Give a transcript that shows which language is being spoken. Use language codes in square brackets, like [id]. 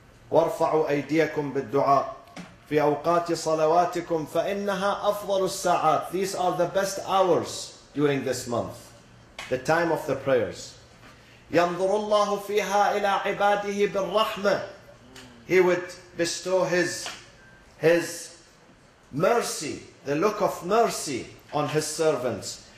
[ar] وَارْفَعُوا أَيْدِيَكُمْ بِالدُّعَاءِ في أوقات صلواتكم فإنها أفضل الساعات. [en] These are the best hours during this month, the time of the prayers. [ar] ينظر الله فيها إلى عباده بالرحمة. [en] He would bestow his mercy, the look of mercy on his servants.